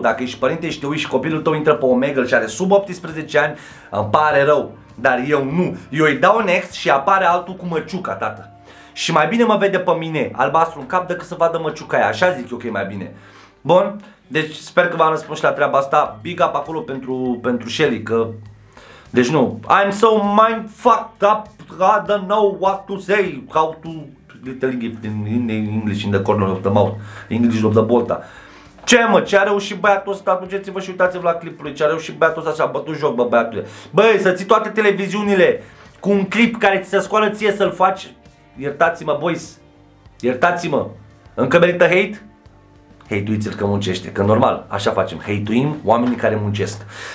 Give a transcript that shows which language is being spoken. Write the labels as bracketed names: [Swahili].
[Romanian] Dacă ești părinte și te uiți și copilul tău intră pe Omegle și are sub 18 ani, îmi pare rău, dar eu nu. Eu îi dau next și apare altul cu măciuca, tată. Și mai bine mă vede pe mine albastru în cap decât să vadă măciuca aia. Așa zic eu că e mai bine. Bun, deci sper că v-am răspuns și la treaba asta. [English] Big up [Romanian] acolo pentru Shelly, că... Deci nu. [English] I'm so mind fucked up, I don't know what to say, how to... Little English in the corner of the mouth, English of the bolta. [Romanian] Ce mă, ce a reușit băiatul ăsta, duceți-vă și uitați-vă la clipul lui, ce a reușit băiatul ăsta și a bătut joc, bă, băiatule. Băi, să ții toate televiziunile cu un clip care ți se scoală ție să-l faci. Iertați-mă, boys, iertați-mă. Încă merită hate? Hate-uiți-l că muncește, că normal, așa facem. Hate-uim oamenii care muncesc.